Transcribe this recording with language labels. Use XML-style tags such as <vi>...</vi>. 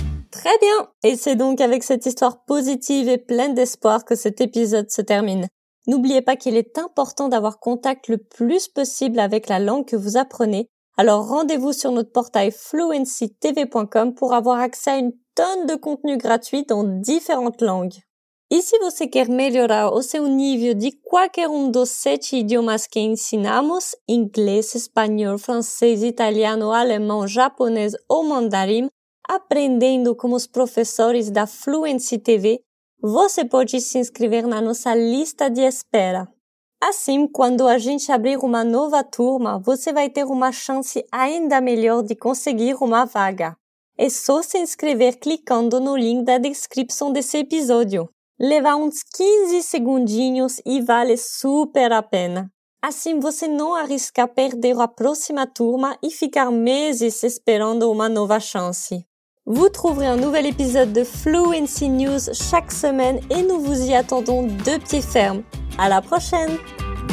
<fr>Très bien! Et c'est donc avec cette histoire positive et pleine d'espoir que cet épisode se termine. N'oubliez pas qu'il est important d'avoir contact le plus possible avec la langue que vous apprenez, alors rendez-vous sur notre portail fluencytv.com pour avoir accès à une tonne de contenus gratuits dans différentes langues.</fr> <pt>Y si você quer melhorar o seu nível de qualquer dos 7 idiomas que ensinamos, inglês, espanhol, francês, italiano, alemão, japonês ou mandarim, aprendendo com os professores da Fluency TV, você pode se inscrever na nossa lista de espera. Assim, quando a gente abrir uma nova turma, você vai ter uma chance ainda melhor de conseguir uma vaga. É só se inscrever clicando no link da descrição desse episódio. Leva uns 15 segundinhos e vale super a pena. Assim, você não arrisca perder a próxima turma e ficar meses esperando uma nova chance.</pt> <fr>Vous trouverez un nouvel épisode de Fluency News chaque semaine et nous vous y attendons de pied ferme. À la prochaine !</fr>